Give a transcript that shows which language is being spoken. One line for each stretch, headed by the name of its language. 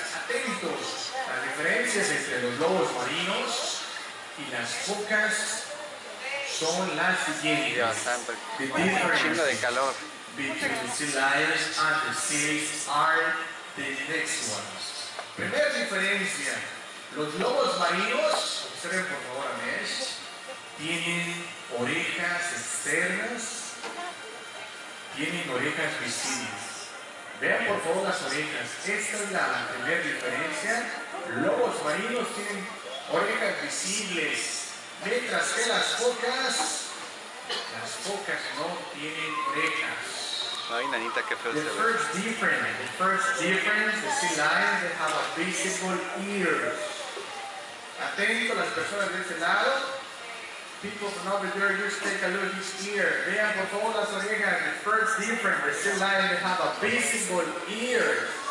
Spanish: Atentos, las diferencias entre los lobos marinos y las focas son las siguientes.
English: The difference de calor between sea lions and the seals are the next ones.
Spanish: Primera diferencia, los lobos marinos, observen por favor a Mesh, tienen orejas externas, tienen orejas visibles. Vean por favor las orejas, esta es la primera diferencia, lobos marinos tienen orejas visibles, mientras que las focas no tienen orejas. Ay, nanita, qué feo.
English: The first difference, the sea lions, they have a visible ears.
Spanish: Atento, las personas de este lado.
English: People from over there, just take a look at his ear.
Spanish: Vean por todas las orejas.
English: The first difference, the sea lions, they have a visible ears.